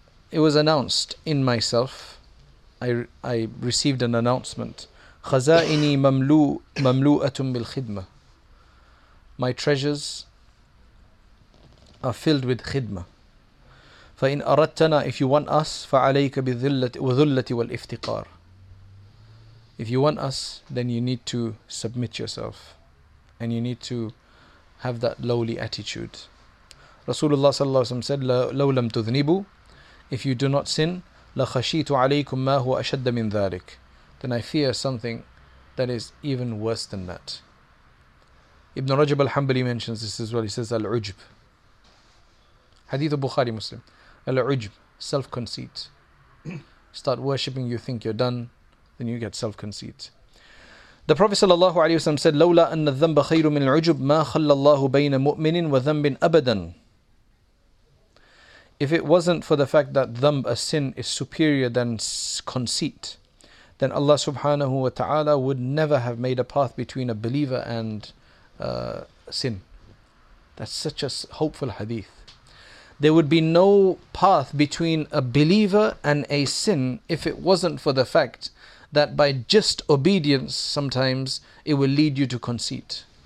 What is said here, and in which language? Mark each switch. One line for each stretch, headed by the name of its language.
English: It was announced in myself. I received an announcement.
Arabic: خزائني مملوءة بالخدمة.
English: My treasures are filled with خدمة.
Arabic: فإن أردتنا,
English: if you want us,
Arabic: فعليك بذلة والافتقار.
English: If you want us, then you need to submit yourself, and you need to have that lowly attitude.
Arabic: رسول الله صلى الله عليه وسلم
English: said,
Arabic: لو لم تذنبوا,
English: if you do not sin,
Arabic: لخشيت عليكم ما هو أشد من ذلك,
English: then I fear something that is even worse than that. Ibn Rajab al-Hanbali mentions this as well. He says, Al-Ujb. Hadith of Bukhari Muslim. Al-Ujb, self-conceit. Start worshipping, you think you're done, then you get self-conceit. The Prophet sallallahu alayhi wa sallam said,
Arabic: لولا أن الذنب خير من العجب ما خلى الله بين مؤمن وذنب أبدا.
English: If it wasn't for the fact that dhamb, a sin, is superior than conceit, then Allah subhanahu wa ta'ala would never have made a path between a believer and sin. That's such a hopeful hadith. There would be no path between a believer and a sin if it wasn't for the fact that by just obedience sometimes it will lead you to conceit.